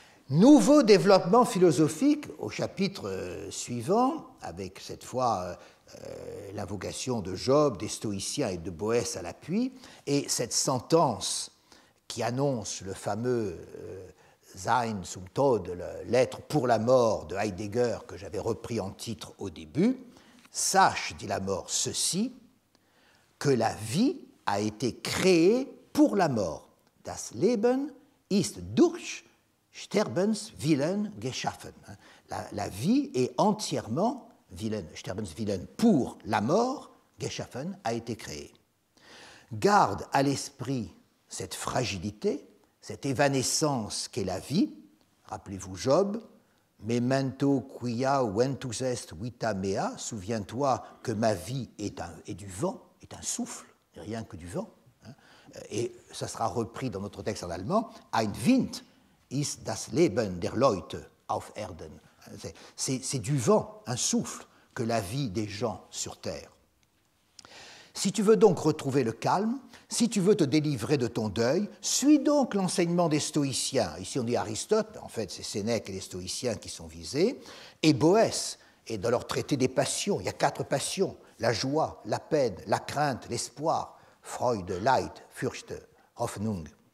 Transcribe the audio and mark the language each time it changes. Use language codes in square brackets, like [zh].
[fr] Nouveau développement philosophique au chapitre suivant, avec cette fois l'invocation de Job, des stoïciens et de Boèce à l'appui, et cette sentence qui annonce le fameux Sein zum Tod, l'être pour la mort de Heidegger que j'avais repris en titre au début. Sache, dit la mort, ceci, que la vie a été créée pour la mort. [de] Das Leben ist durch Sterbenswillen geschaffen. [fr] La vie est entièrement Willen, Sterbenswillen pour la mort, geschaffen, a été créé. Garde à l'esprit cette fragilité, cette évanescence qu'est la vie. Rappelez-vous Job, [la] memento quia ventus est vita mea, [fr] souviens-toi que ma vie est du vent, est un souffle, rien que du vent. Et ça sera repris dans notre texte en allemand, [de] ein Wind ist das Leben der Leute auf Erden. [fr] C'est du vent, un souffle, que la vie des gens sur terre. Si tu veux donc retrouver le calme, si tu veux te délivrer de ton deuil, suis donc l'enseignement des stoïciens. Ici on dit Aristote, en fait c'est Sénèque et les stoïciens qui sont visés, et Boèce, et dans leur traité des passions, il y a quatre passions, la joie, la peine, la crainte, l'espoir, Freude, Leid, Furcht, Hoffnung.